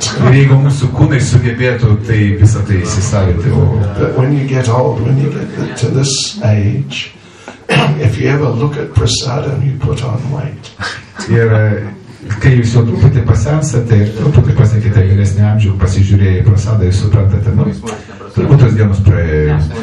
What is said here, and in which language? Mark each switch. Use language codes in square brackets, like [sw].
[lt] Ir jeigu mūsų kūnai sugebėtų tai visą tai įsisavinti. [en] But when you get old, when you get to this age, if you ever look at prasada and you put on weight. [lt] Ir kai jūs jau truputį pasensate ir truputį pasiekite vyresnį amžių, pasižiūrėję į prasadą, jūs suprantate, nu, turbūt tos dienos praėjo.